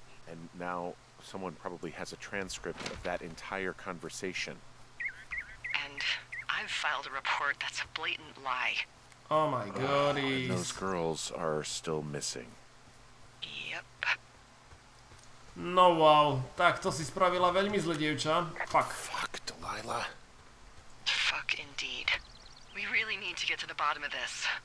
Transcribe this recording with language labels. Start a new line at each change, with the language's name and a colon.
English: And now someone probably has a transcript of that entire conversation. And I've filed a report that's a blatant lie. Oh my god. Those girls are still missing. Yep.
Slovak: No wow, tak to si spravila veľmi zle, dievča.
English: Fuck. Fuck, Delilah. Fuck indeed. We really need to get to the bottom of this.